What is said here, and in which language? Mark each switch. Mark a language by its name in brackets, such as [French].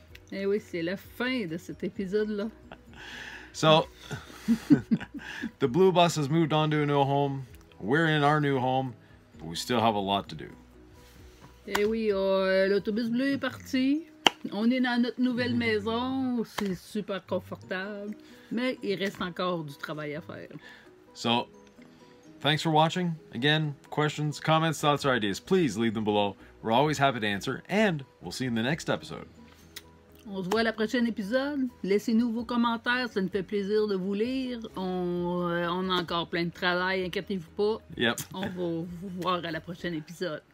[French] Eh oui, c'est la fin de cet épisode-là. [English] So, the blue bus has moved on to a new home. We're in our new home, but we still have a lot to do. [French] Eh oui, l'autobus bleu est parti. On est dans notre nouvelle maison. C'est super confortable. Mais il reste encore du travail à faire. [English] So, thanks for watching. Again, questions, comments, thoughts, or ideas, please leave them below. We're always happy to answer, and we'll see you in the next episode. [French] On se voit à la prochaine épisode. Laissez-nous vos commentaires, ça nous fait plaisir de vous lire. On a encore plein de travail, inquiétez-vous pas. [English] Yep. [French] On va vous voir à la prochaine épisode.